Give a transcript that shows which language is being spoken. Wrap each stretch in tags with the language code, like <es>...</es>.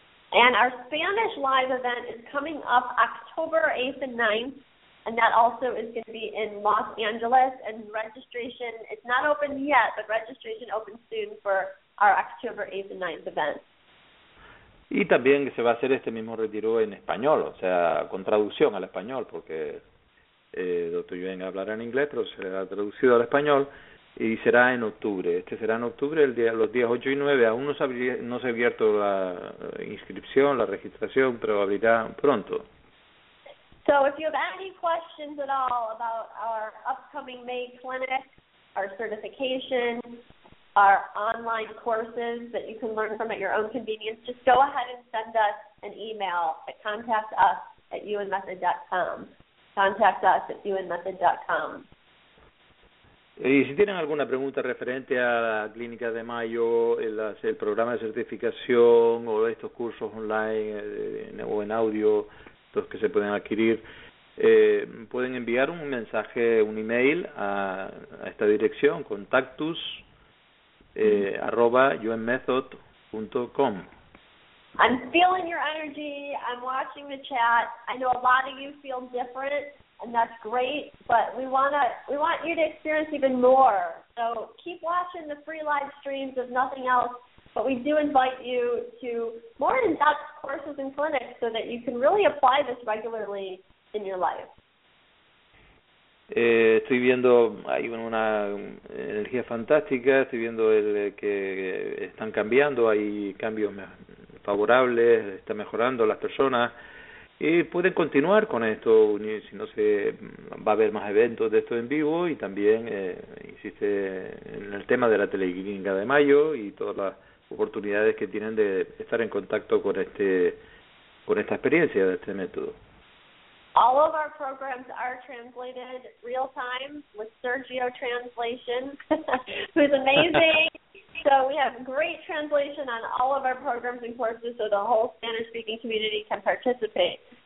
<en>And our Spanish live event is coming up October 8th and 9th, and that also is going to be in Los Angeles, and registration, it's not open yet, but registration opens soon for our October 8th and 9th event.</en> <es>Y también se va a hacer este mismo retiro en español, o sea, con traducción al español, porque Dr. Yuen hablará en inglés, pero será traducido al español, y será en octubre. Este será en octubre, los días 8 y 9. Aún no se ha abierto la inscripción, la registración, pero abrirá pronto.</es> <en>So if you have any questions at all about our upcoming May clinic, our certification, our online courses that you can learn from at your own convenience, just go ahead and send us an email at contactus@unmethod.com. contactus@unmethod.com.</en> <es>Y si tienen alguna pregunta referente a la clínica de mayo, el programa de certificación o estos cursos online o en audio, los que se pueden adquirir, pueden enviar un mensaje, un email a esta dirección, contactus@unmethod.com.</es> <en>I'm feeling your energy. I'm watching the chat. I know a lot of you feel different, and that's great, but we want you to experience even more. So keep watching the free live streams, if nothing else, but we do invite you to more in-depth courses and clinics so that you can really apply this regularly in your life.</en> <es>Estoy viendo, hay una energía fantástica, estoy viendo que están cambiando, hay cambios favorables, está mejorando las personas. Y pueden continuar con esto, si no se va a haber más eventos de esto en vivo, y también existe en el tema de la teleclínica de mayo y todas las oportunidades que tienen de estar en contacto con esta experiencia de este método.</es> <en>All of our programs are translated real time with Sergio Translation, who's amazing. So we have great translation on all of our programs and courses, so the whole Spanish-speaking community can participate.</en>